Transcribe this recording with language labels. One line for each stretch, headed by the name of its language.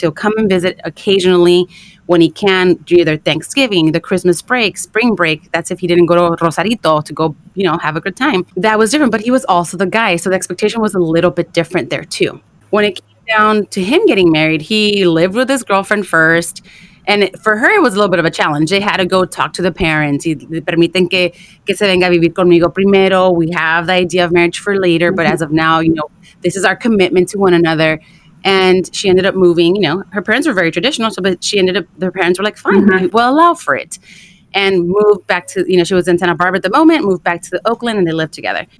English: He'll come and visit occasionally when he can, either Thanksgiving, the Christmas break, spring break. That's if he didn't go to Rosarito to go, you know, have a good time. That was different, but he was also the guy. So the expectation was a little bit different there too. When it came down to him getting married, he lived with his girlfriend first. And for her, it was a little bit of a challenge. They had to go talk to the parents.
Spanish: Permiten que se venga a vivir conmigo primero.
English: We have the idea of marriage for later. Mm-hmm. But as of now, you know, this is our commitment to one another. And she ended up moving. You know, her parents were very traditional. So, but their parents were like, fine, mm-hmm. we'll allow for it. and moved back to, you know, she was in Santa Barbara at the moment, moved back to Oakland, and they lived together.